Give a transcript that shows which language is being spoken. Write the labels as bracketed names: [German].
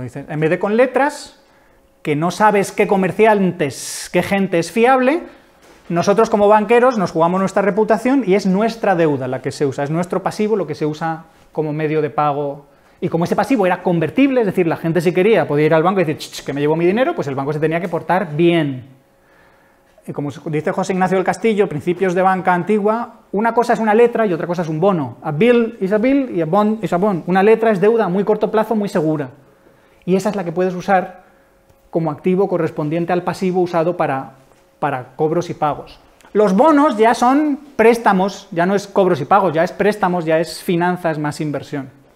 [Spanish] Dicen, en vez de con letras, que no sabes qué comerciantes, qué gente es fiable, nosotros como banqueros nos jugamos nuestra reputación y es nuestra deuda la que se usa, es nuestro pasivo lo que se usa como medio de pago. Y como ese pasivo era convertible, es decir, la gente si quería podía ir al banco y decir que me llevo mi dinero, pues el banco se tenía que portar bien. Y como dice José Ignacio del Castillo, principios de banca antigua, una cosa es una letra y otra cosa es un bono. [English] A bill is a bill y a bond is a bond. [Spanish] Una letra es deuda a muy corto plazo, muy segura. Y esa es la que puedes usar como activo correspondiente al pasivo usado para cobros y pagos. Los bonos ya son préstamos, ya no es cobros y pagos, ya es préstamos, ya es finanzas más inversión.